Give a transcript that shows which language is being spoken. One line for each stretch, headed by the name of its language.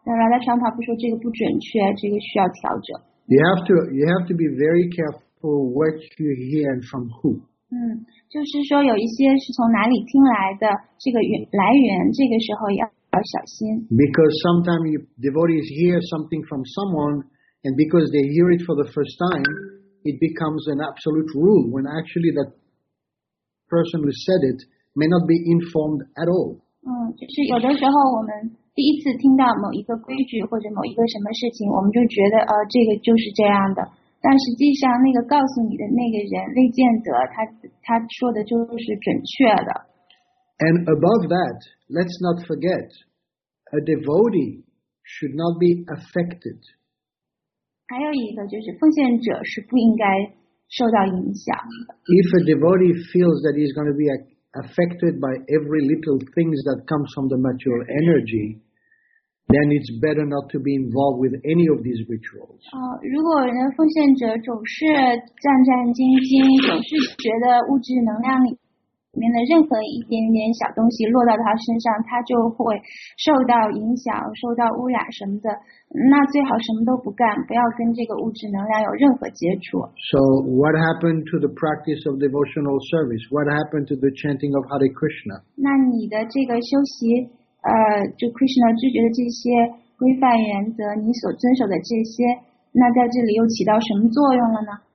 Chinese: 那拉拉桑帕不说这个不准确，这个需要调整。
English: You have to be very careful what you hear and from who。
Chinese: 就是说有一些是从哪里听来的，这个来源，这个时候要小心。
English: Because sometimes devotees hear something from someone, and because they hear it for the first time, it becomes an absolute rule when actually that person who said it. May not be informed at all.
Chinese: 就是有的时候我们第一次听到某一个规矩或者某一个什么事情，我们就觉得这个就是这样的。但实际上那个告诉你的那个人未见得他说的就是准确的。
English: And above that, let's not forget, a devotee should not be affected.
Chinese: 还有一个就是奉献者是不应该受到影响的。
English: If a devotee feels that he's going to be affected by every little thing that comes from the material energy, then it's better not to be involved with any of these rituals.
Chinese: 如果人家奉献者总是战战兢兢，总是觉得物质能量里面的任何一点点小东西落到他身上，他就会受到影响，受到污染什么的，那最好什么都不干，不要跟这个物质能量有任何接触。
English: So what happened to the practice of devotional service? What happened to the chanting of Hare Krishna?
Chinese: 那你的这个修习，就 Krishna 拒绝的这些规范原则，你所遵守的这些，那在这里又起到什么作用了呢？